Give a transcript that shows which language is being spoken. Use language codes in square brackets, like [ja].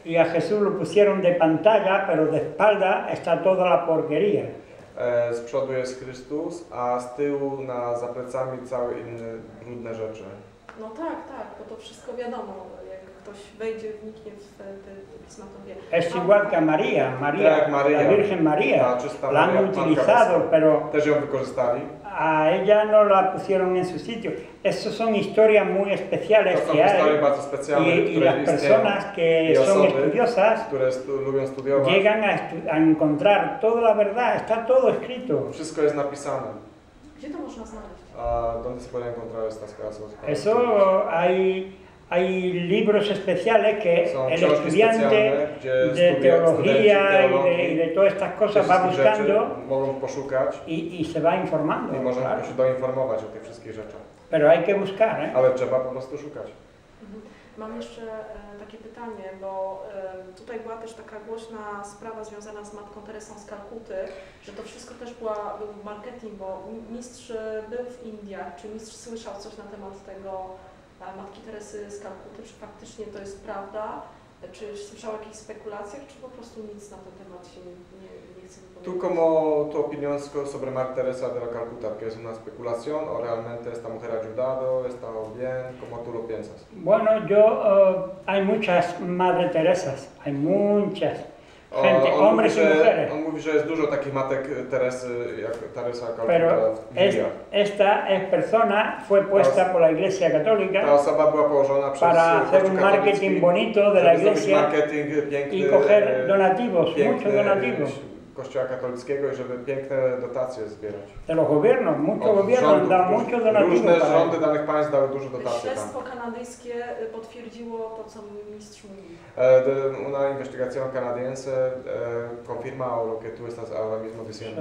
[es] Y a Jesús lo pusieron de pantalla, pero de espalda está toda la porquería. [pl] Z przodu jest Chrystus, a z tyłu na zaplecami całe inne brudne rzeczy. No tak, tak, bo to wszystko wiadomo, jak ktoś wejdzie, wniknie w te pisma, to wie. [es] Es igual que María, María, [pl] tak, Maria, [es] la Virgen María. [pl] Ta czysta Maria, [es] la han utilizado, pero [pl] też ją wykorzystali. [es] A ella no la pusieron en su sitio. Estas son historias muy especiales que hay. Y las personas que son estudiosas llegan a, a encontrar toda la verdad. Está todo escrito. [pl] Wszystko jest napisane. ¿Gdzie to można znaleźć? [es] A dónde se puede encontrar estas casas? Eso hay libros especiales que [pl] są [es] el estudiante de teología y de todas estas cosas va buscando y se va informando. [pl] I można się doinformować o tych wszystkich rzeczach. [es] Pero hay que buscar, ¿eh? [pl] Ale trzeba po prostu szukać. Mam jeszcze takie pytanie, bo tutaj była też taka głośna sprawa związana z matką Teresą z Kalkuty, że to wszystko też był marketing, bo mistrz był w Indiach. Czy mistrz słyszał coś na temat tego matki Teresy z Kalkuty? Czy faktycznie to jest prawda? Czy słyszał o jakichś spekulacjach, czy po prostu nic na ten temat się nie [es] Tú como tu opinión sobre María Teresa de la Calcuta, que es una especulación, o realmente esta mujer ha ayudado, ha estado bien, ¿cómo tú lo piensas? Bueno, yo hay muchas Madre Teresas, hay muchas gente, hombres [pl] mówi, [es] y mujeres. [pl] On mówi, że jest dużo takich matek Teresy, jak Teresa Calcuta. [es] Pero esta es persona fue puesta por la Iglesia Católica. [pl] Ta osoba była położona przez [es] para hacer un marketing bonito de la Iglesia [pl] piękny, [es] y coger donativos, muchos donativos. [pl] Kościoła katolickiego i żeby piękne dotacje zbierać. Tego [es] gobierno, mucho gobierno, da mucho donativo. [pl] Różne rządy danych państw dały dużo dotacji. Śledztwo kanadyjskie potwierdziło to, co mistrz mówił. [es] Una investigación canadiense confirma lo que tú estás ahora mismo diciendo.